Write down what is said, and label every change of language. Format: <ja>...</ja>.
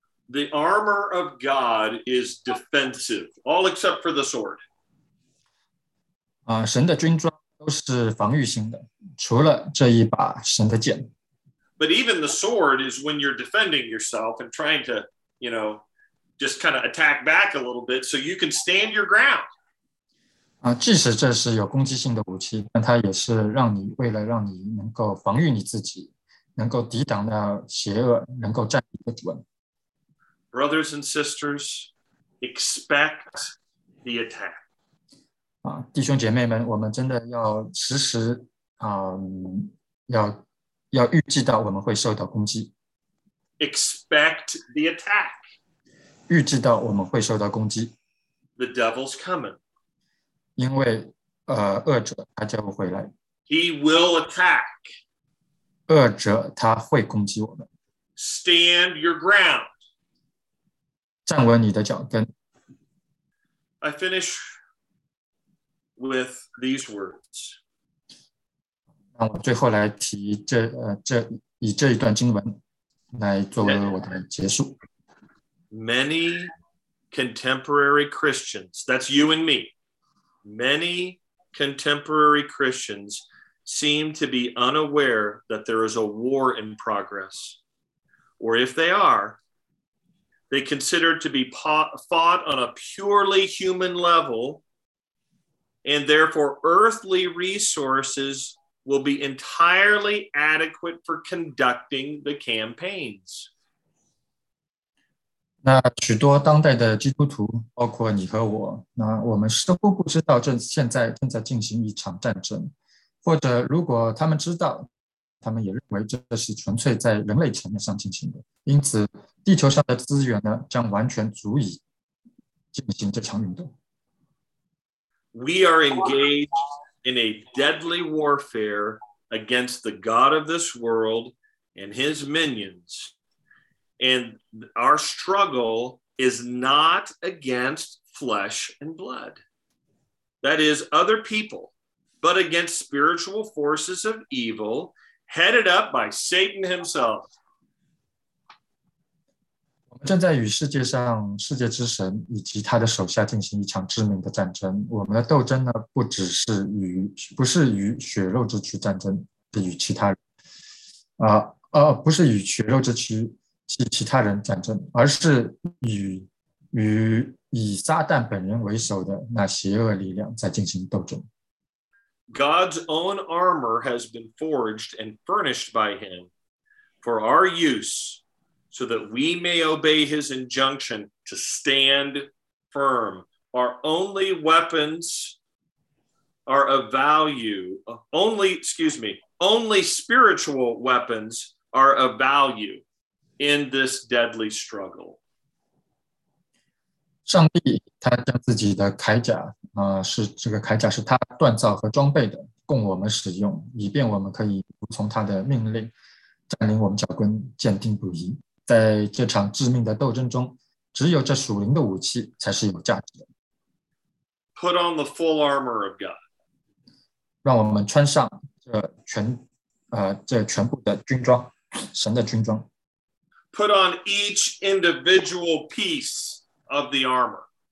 <en>The armor of God is defensive, all except for the sword.</en> <zh>神的军装都是防御性的，除了这一把神的剑。</zh> <en>But even the sword is when you're defending yourself and trying to, you know, just kind of attack back a little bit so you can stand your ground.</en> <zh>即使这是有攻击性的武器，但它也是让你为了让你能够防御你自己，能够抵挡那邪恶，能够站得稳。</zh> <en>Brothers and sisters, expect the attack.</en> <zh>弟兄姐妹们，我们真的要时时要预计到我们会受到攻击。</zh> <en>Expect the attack.</en> <zh>预计到我们会受到攻击。</zh> <en>The devil's coming.</en> <zh>因为恶者他就会来。</zh> <en>He will attack.</en> <zh>恶者他会攻击我们。</zh> <en>Stand your ground.</en> <zh>站稳你的脚跟。</zh> <en>I finish with these words.</en> <zh>让我最后来提以这一段经文来作为我的结束。</zh> <en>Many contemporary Christians, that's you and me, many contemporary Christians seem to be unaware that there is a war in progress. Or if they are, they consider to be fought on a purely human level, and therefore earthly resources. Will be entirely adequate for conducting the campaigns.</en> <zh>那许多当代的基督徒，包括你和我，那我们似乎不知道现在正在进行一场战争，或者如果他们知道，他们也认为这是纯粹在人类层面上进行的。因此，地球上的资源呢，将完全足以进行这场运动。</zh> <en>We are engaged in a deadly warfare against the God of this world and his minions. And our struggle is not against flesh and blood. That is other people, but against spiritual forces of evil headed up by Satan himself.</en> <zh>我们正在与世界上世界之神以及他的手下进行一场致命的战争。我们的斗争呢，不是与血肉之躯战争，是与其他人。不是与血肉之躯及其他人战争，而是与以撒旦本人为首的那邪恶力量在进行斗争。</zh> <en>God's own armor has been forged and furnished by him for our use. So that we may obey his injunction to stand firm. Our only weapons are of value. Only spiritual weapons are of value in this deadly struggle.</en> <zh>上帝他将自己的铠甲，这个铠甲是他锻造和装备的，供我们使用，以便我们可以服从他的命令，占领我们脚跟，坚定不移。在这场致命的斗争中，只有这属灵的武器才是有价值的。</zh> <en>Put on the full armor of God.</en> <zh>让我们穿上这全部的军装，神的军装。</zh> <en>Put on each individual piece of the armor.</en>